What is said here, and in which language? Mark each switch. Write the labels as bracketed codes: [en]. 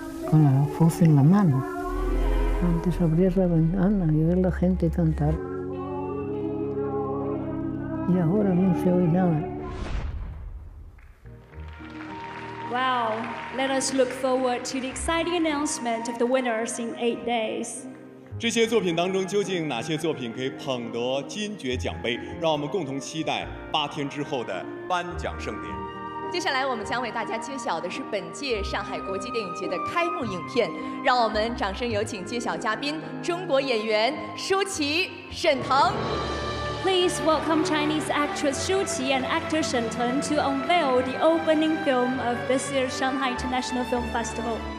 [en] Wow, let us look forward to the exciting announcement of the winners in 8 days. [zh] 这些作品当中究竟哪些作品可以捧得金爵奖杯？让我们共同期待8天之后的颁奖盛典。接下来我们将为大家揭晓的是本届上海国际电影节的开幕影片，让我们掌声有请揭晓嘉宾中国演员舒淇、沈腾。 [en] please welcome Chinese actress Shu Qi and actor Shen Tun to unveil the opening film of this year's Shanghai International Film Festival.